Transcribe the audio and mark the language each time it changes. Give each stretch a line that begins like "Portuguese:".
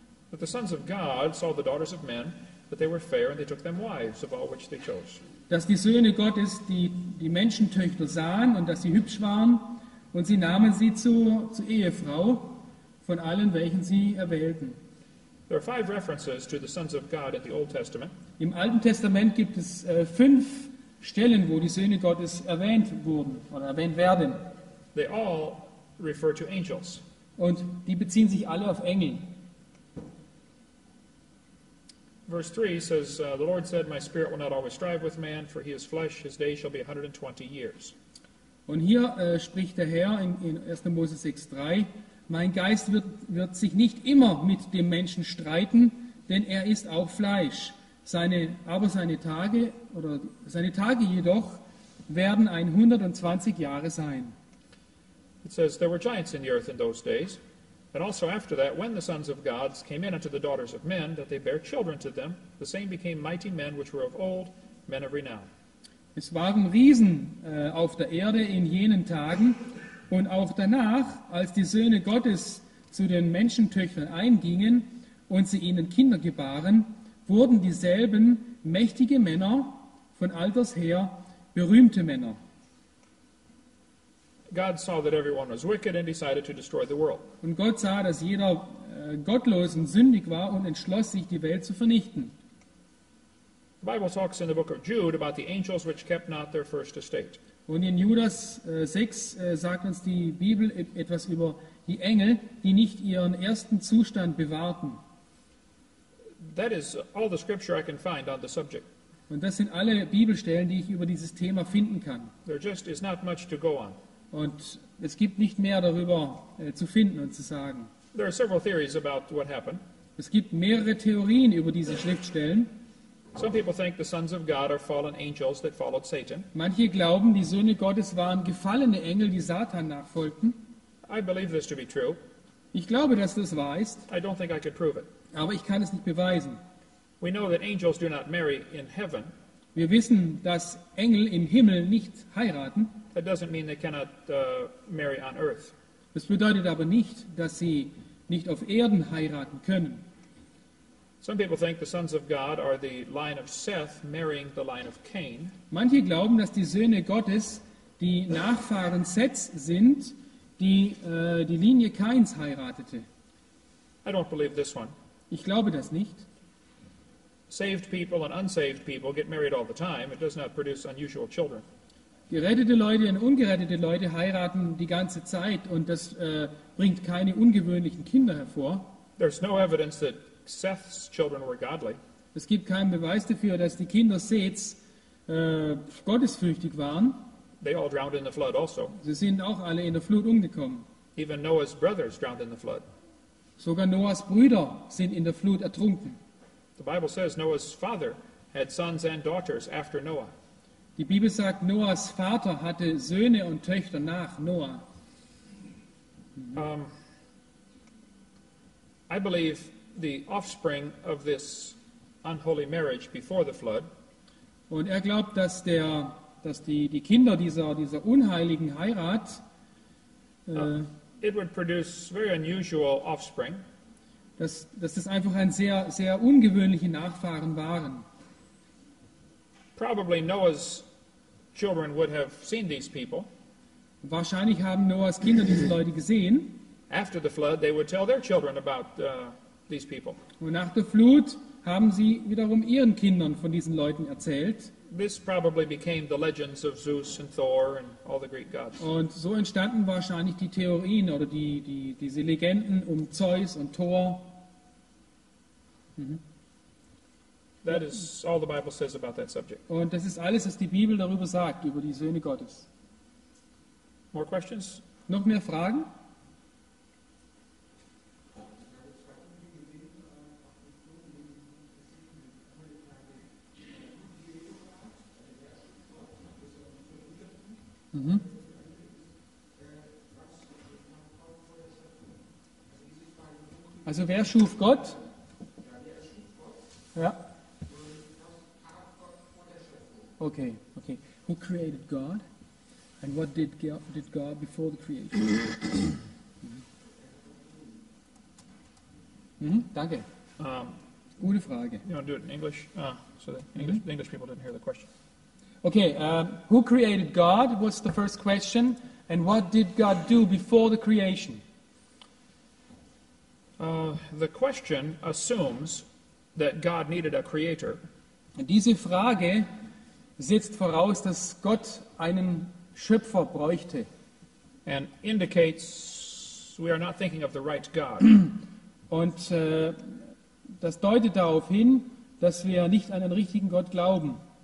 English: But the sons of God saw the daughters of men, that they were fair, and they took them wives of all which they chose.
German: Dass die Söhne Gottes die Menschentöchter sahen und dass sie hübsch waren, und sie nahmen sie zu Ehefrau von allen, welchen sie erwählten.
English: There are five references to the sons of God in the Old Testament.
German: Im Alten Testament gibt es fünf Stellen, wo die Söhne Gottes erwähnt wurden oder erwähnt werden.
English: They all refer to angels.
German: Und die beziehen sich alle auf Engel.
English: Verse 3 says, the Lord said, my spirit will not always strive with man, for he is flesh, his day shall be 120 years.
German: Und hier spricht der Herr in 1. Mose 6,3, mein Geist wird sich nicht immer mit dem Menschen streiten, denn er ist auch Fleisch. Seine Tage jedoch werden 120 Jahre sein.
English: It says there were giants in the earth in those days. And also after that, when the sons of gods came in unto the daughters of men, that they bare children to them, the same became mighty men which were of old, men of renown.
German: Es waren Riesen auf der Erde in jenen Tagen und auch danach, als die Söhne Gottes zu den Menschentöchtern eingingen und sie ihnen Kinder gebaren, wurden dieselben mächtige Männer, von alters her berühmte Männer.
English: God saw that everyone was wicked and decided to destroy the world.
German: Und Gott sah, dass jeder gottlos und sündig war und entschloss sich, die Welt zu vernichten.
English: The Bible talks in the book of Jude about the angels which kept not their first estate.
German: Und in Judas 6 sagt uns die Bibel etwas über die Engel, die nicht ihren ersten Zustand bewahrten.
English: That is all the scripture I can find on the subject.
German: Und das sind alle Bibelstellen, die ich über dieses Thema finden kann.
English: There just is not much to go on.
German: Und es gibt nicht mehr darüber zu finden und zu sagen.
English: There are several theories about what happened.
German: Es gibt mehrere Theorien über diese Schriftstellen.
English: Some people think the sons of God are fallen angels that followed Satan.
German: Manche glauben, die Söhne Gottes waren gefallene Engel, die Satan nachfolgten.
English: I believe this to be true.
German: Ich glaube, dass das wahr ist.
English: I don't think I could prove it.
German: Aber ich kann es nicht beweisen.
English: We know that angels do not marry in heaven.
German: Wir wissen, dass Engel im Himmel nicht heiraten.
English: That doesn't mean they cannot marry on earth.
German: Das bedeutet aber nicht, dass sie nicht auf Erden heiraten können.
English: Some people think the sons of God are the line of Seth marrying the line of Cain.
German: Manche glauben, dass die Söhne Gottes die Nachfahren Seths sind, die die Linie Kains heiratete.
English: I don't believe this one.
German: Ich glaube das nicht.
English: Saved people and unsaved people get married all the time. It does not produce unusual children.
German: Gerettete Leute und ungerettete Leute heiraten die ganze Zeit und das bringt keine ungewöhnlichen Kinder hervor.
English: There's no evidence that Seth's children were godly.
German: Es gibt keinen Beweis dafür, dass die Kinder Seths gottesfürchtig waren.
English: They all drowned in the flood also.
German: Sie sind auch alle in der Flut umgekommen.
English: Even Noah's brothers drowned in the flood.
German: Sogar Noahs Brüder sind in der Flut ertrunken.
English: The Bible says Noah's father had sons and daughters after Noah.
German: Die Bibel sagt, Noahs Vater hatte Söhne und Töchter nach Noah.
English: I believe the offspring of this unholy marriage before the flood.
German: Und er glaubt, dass der, dass die die Kinder dieser dieser unheiligen Heirat.
English: It would produce very unusual offspring.
German: Dass das einfach ein sehr sehr ungewöhnliche Nachfahren waren.
English: Probably Noah's children would have seen these people.
German: Wahrscheinlich haben Noahs Kinder diese Leute gesehen.
English: After the flood, they would tell their children about these people.
German: Und nach der Flut haben sie wiederum ihren Kindern von diesen Leuten erzählt.
English: This probably became the legends of Zeus and Thor and all the Greek gods.
German: Und so entstanden wahrscheinlich die Theorien oder die die diese Legenden um Zeus und Thor.
English: That is all the Bible says about that subject.
German: Und das ist alles, was die Bibel darüber sagt, über die Söhne Gottes.
English: More questions?
German: Noch mehr Fragen? Also wer schuf Gott? Ja.
English: Okay, okay. Who created God? And what did God before the creation?
German: Danke. Gute Frage.
English: You want to do it in English? So the English, the English people didn't hear the question. Okay, who created God was the first question, and what did God do before the creation? The question assumes that God needed a creator.
German: Diese Frage setzt voraus, dass Gott einen Schöpfer bräuchte.
English: And indicates we are not thinking of the right God.
German: Und das deutet darauf hin, dass wir nicht an den richtigen Gott glauben.